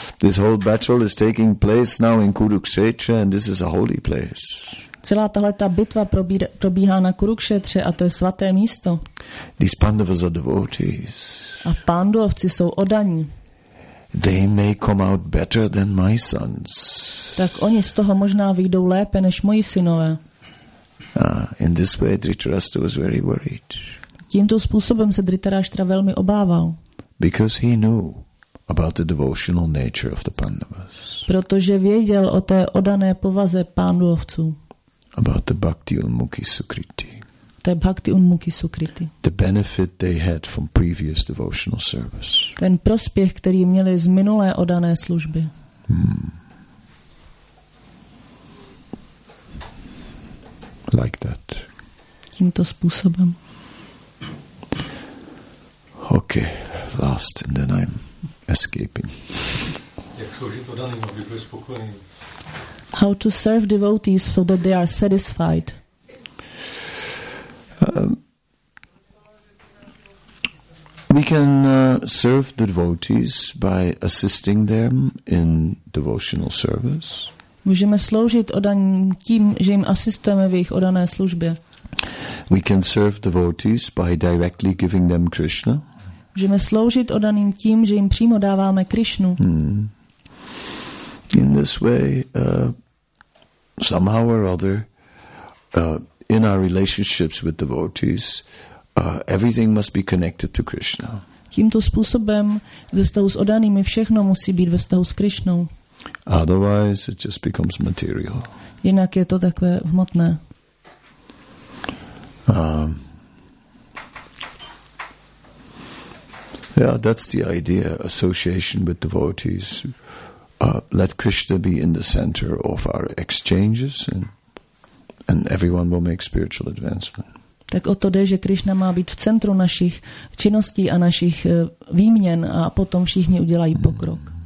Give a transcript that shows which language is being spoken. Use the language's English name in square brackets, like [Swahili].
[English] This whole battle is taking place now in Kurukshetra and this is a holy place. [Czech] Celá tahle ta bitva probíhá na Kurukshetře a to je svaté místo. [English] These Pandavas are devotees. [Czech] A Pandovci jsou oddaní. [English] They may come out better than my sons. [Czech] Tak oni z toho možná vyjdou lépe než moji synové. [English] In this way Dhritarashtra was very worried. [Czech] Tímto způsobem se Dhritarashtra velmi obával. [English] Because he knew about the devotional nature of the Pandavas. [Czech] Protože věděl o té oddané povaze Pandovců. [English] About the bhakti unmukhi sukriti. [Czech] Té bhakti unmukhi sukriti. [English] The benefit they had from previous devotional service. [Czech] Ten prospěch, který měli z minulé oddané služby. Hmm. [English] like that. [Czech] Tímto způsobem. [English] Okay, last, and then I'm escaping. How to serve devotees so that they are satisfied? We can serve the devotees by assisting them in devotional service. [Czech] Můžeme sloužit oddaným tím, že jim asistujeme v jejich oddané službě. [English] We can serve devotees by directly giving them Krishna. [Czech] Můžeme sloužit oddaným tím, že jim přímo dáváme Krishnu. [English] In this way, somehow or other, in our relationships with devotees, everything must be connected to Krishna. [Czech] Tímto způsobem ve vztahu s oddanými všechno musí být ve vztahu s Krishnou. [English] Otherwise, it just becomes material. [Czech] Jinak je to takové hmotné. [English] Yeah, that's the idea. Association with devotees. Let Krishna be in the center of our exchanges, and everyone will make spiritual advancement. [Czech] Tak o to jde, že Krishna má být v centru našich činností a našich výměn, a potom všichni udělají pokrok.